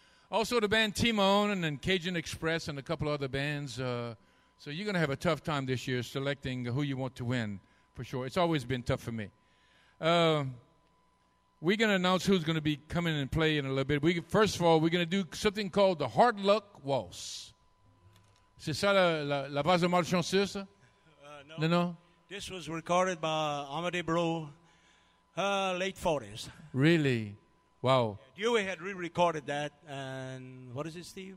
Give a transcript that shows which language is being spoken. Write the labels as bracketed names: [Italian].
[English] Also, the band Timon and then Cajun Express and a couple of other bands. So you're going to have a tough time this year selecting who you want to win, for sure. It's always been tough for me. We're going to announce who's going to be coming and play in a little bit. First of all, we're going to do something called the Hard Luck Waltz. [French] C'est ça la base malchanceuse? [English] No. This was recorded by Amadé Bro, late 40s. Really? Wow. Yeah, Dewey had re-recorded that, and what is it, Steve?